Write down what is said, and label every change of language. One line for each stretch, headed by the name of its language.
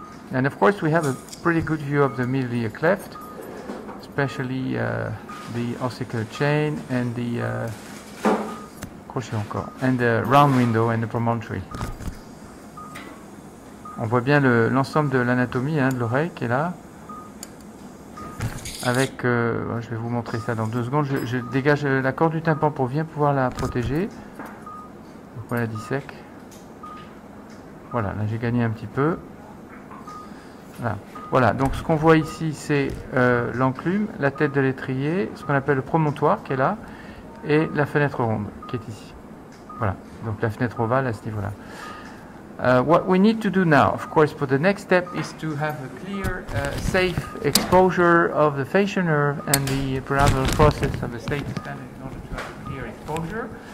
English: And of course we have a pretty good view of the middle ear cleft, especially the ossicular chain and the crochet encore, and the round window and the promontory.
French: On voit bien l'ensemble de l'anatomie de l'oreille qui est là. Avec, je vais vous montrer ça dans deux secondes, je dégage la corde du tympan pour bien pouvoir la protéger. Donc voilà, dissèque. Voilà, là j'ai gagné un petit peu. Voilà, voilà, donc ce qu'on voit ici, c'est l'enclume, la tête de l'étrier, ce qu'on appelle le promontoire qui est là, et la fenêtre ronde qui est ici. Voilà, donc la fenêtre ovale à ce niveau-là.
English: What we need to do now, of course, for the next step is to have a clear, safe exposure of the facial nerve and the peripheral process of the stapes in order to have a clear exposure.